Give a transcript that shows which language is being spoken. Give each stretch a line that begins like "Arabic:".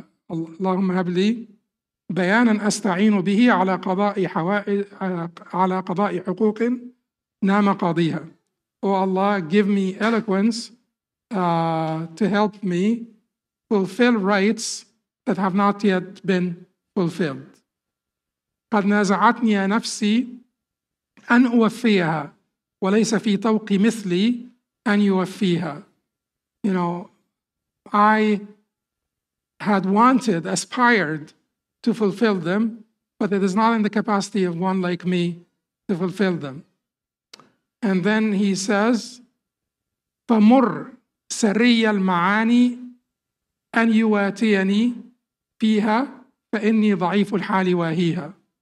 Arabic: اللهم هب لي بيانا أستعين به على قضاء حوائج على قضاء حقوق نام قاضيها.
English: Oh Allah, give me eloquence to help me fulfill rights that have not yet been fulfilled.
Arabic: قد نازعتني نفسي أن أوفيها وليس في توق مثلي أن يوفيها.
English: You know, I had wanted, aspired to fulfill them, but it is not in the capacity of one like me to fulfill them. And then he says,
Arabic: فمر سري المعاني أن يواتيني فيها فإني ضعيف الحال واهيها.